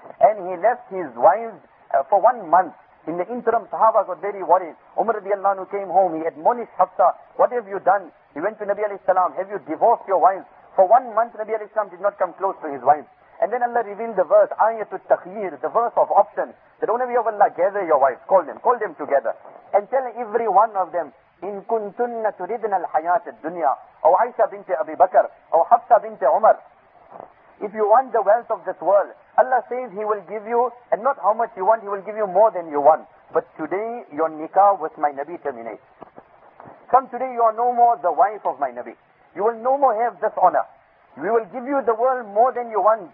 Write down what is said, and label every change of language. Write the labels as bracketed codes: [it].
[en] And he left his wives for 1 month. In the interim, Sahaba got very worried. Umar radiallahu anhu came home, he admonished Hafsa, what have you done? He went to Nabi alayhi salam, have you divorced your wives? For 1 month, Nabi alayhi salam did not come close to his wives. And then Allah revealed the verse, Ayatul Takhir, the verse of option. That, O Nabi of Allah, gather your wives, call them together. And tell every one of them, [ar] إِن كُنْتُنَّ تُرِدْنَ الْحَيَاةَ الدُّنْيَا أو عائشة بنت أبي بكر أو حفصة بنت عمر. [en] If you want the wealth of this world, Allah says He will give you, and not how much you want, He will give you more than you want. But today your nikah with my Nabi terminates. From today you are no more the wife of my Nabi. You will no more have this honor. We will give you the world more than you want.